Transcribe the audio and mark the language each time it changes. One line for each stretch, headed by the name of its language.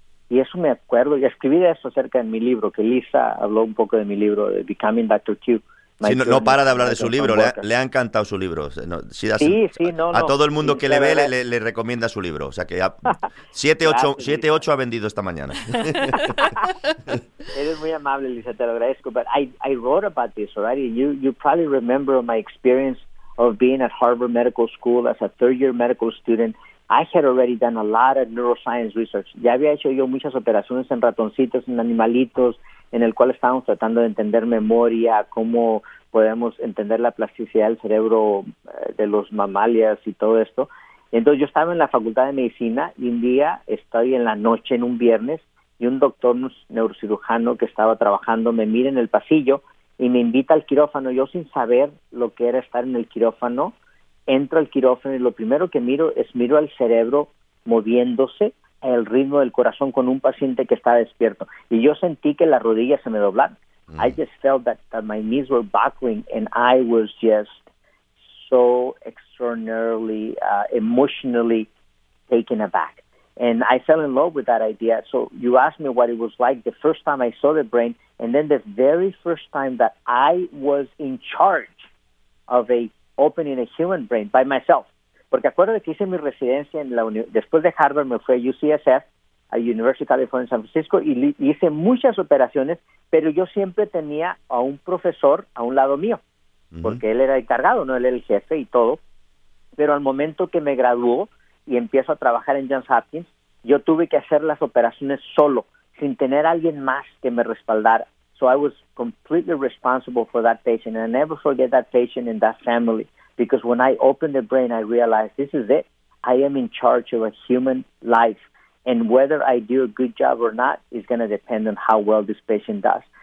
Spanish: Y eso me acuerdo, y escribí de eso acerca en mi libro, que Lisa habló un poco de mi libro, de Becoming Dr. Q. Sí, no para de hablar de su libro, le ha encantado su libro. No, sí, a todo el mundo sí, que le ve le recomienda su libro. O sea que 7-8 ha vendido esta mañana. Eres muy amable, Lisa, te lo agradezco.
English: But I wrote about this already. You probably remember my experience of being at Harvard Medical School as a third-year medical student. I had already done a lot of neuroscience research.
Spanish: Ya había hecho yo muchas operaciones en ratoncitos, en animalitos, en el cual estábamos tratando de entender memoria, cómo podemos entender la plasticidad del cerebro de los mamalias y todo esto. Entonces yo estaba en la Facultad de Medicina y un día estoy en la noche, en un viernes, y un doctor neurocirujano que estaba trabajando me mira en el pasillo y me invita al quirófano. Yo sin saber lo que era estar en el quirófano, entro al quirófano y lo primero que miro al cerebro moviéndose el ritmo del corazón con un paciente que está despierto. Y yo sentí que las rodillas se me doblaron. Mm.
English: I just felt that my knees were buckling and I was just so extraordinarily, emotionally taken aback. And I fell in love with that idea. So you asked me what it was like the first time I saw the brain, and then the very first time that I was in charge of opening a human brain by myself.
Spanish: Porque acuérdate que hice mi residencia en la después de Harvard me fui a UCSF, a University of California San Francisco, y hice muchas operaciones, pero yo siempre tenía a un profesor a un lado mío, porque él era encargado, ¿no? Él era el jefe y todo. Pero al momento que me graduó y empiezo a trabajar en Johns Hopkins, yo tuve que hacer las operaciones solo, sin tener a alguien más que me respaldara.
English: So I was completely responsible for that patient, and I never forget that patient and that family. Because when I opened the brain, I realized this is it. I am in charge of a human life. And whether I do a good job or not is going to depend on how well this patient does.